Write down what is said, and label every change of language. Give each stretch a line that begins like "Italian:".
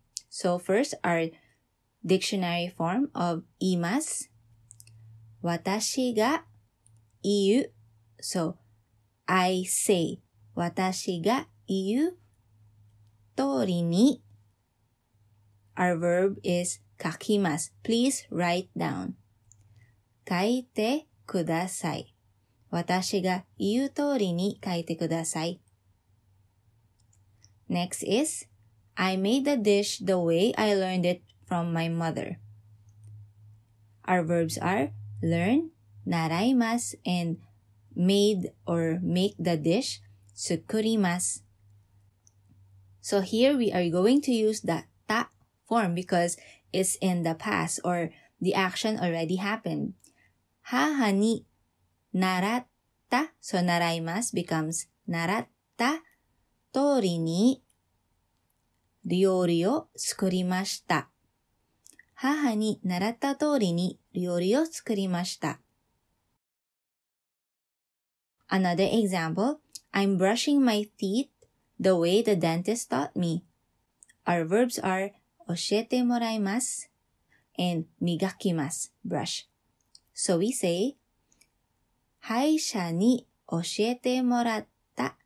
English: So first, our dictionary form of 言います,
Japanese: 私が言う,
English: so I say,
Japanese: 私が言う通りに,
English: our verb is 書きます, please write down.
Japanese: 書いてください。私が言う通りに書いてください。
English: Next is, I made the dish the way I learned it from my mother. Our verbs are learn, 習います, and made or make the dish, 作ります。 So here we are going to use the た form because it's in the past or the action already happened.
Japanese: 母に習った、
English: so
Japanese: 習います
English: becomes
Japanese: 習った通りに料理を作りました。母に習った通りに料理を作りました。
English: Another example, I'm brushing my teeth the way the dentist taught me. Our verbs are 教えてもらいます and 磨きます brush. So we say,
Japanese: 歯医者に教えてもらった。